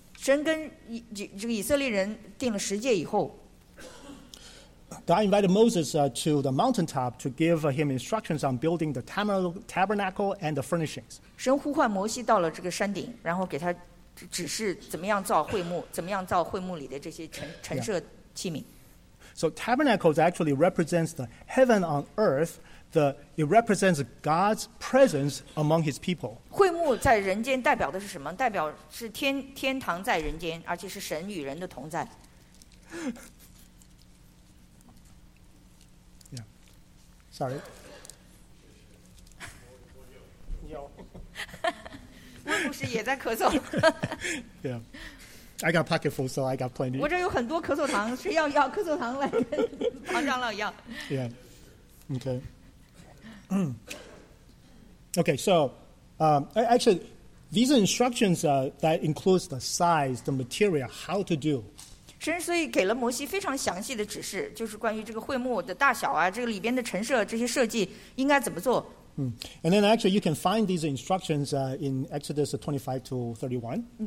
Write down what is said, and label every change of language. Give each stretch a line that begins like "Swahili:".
Chinese: 神跟这个以色列人定了十诫以后，
English: God invited Moses to the mountaintop to give him instructions on building the tabernacle and the furnishings.
Chinese: 神呼唤摩西到了这个山顶，然后给他指示怎么样造会幕，怎么样造会幕里的这些陈设器皿。
English: So tabernacles actually represents the heaven on earth. It represents God's presence among His people.
Chinese: 会幕在人间代表的是什么？代表是天堂在人间，而且是神与人的同在。
English: Yeah, sorry.
Chinese: 牧师也在咳嗽。
English: Yeah, I got pocket full, so I got plenty.
Chinese: 我这有很多咳嗽糖，谁要咳嗽糖来帮长老要？
English: Yeah, okay. Okay, so actually, these instructions that includes the size, the material, how to do.
Chinese: 神所以给了摩西非常详细的指示，就是关于这个会幕的大小啊，这个里边的陈设，这些设计应该怎么做。
English: And then actually, you can find these instructions in Exodus 25 to 31.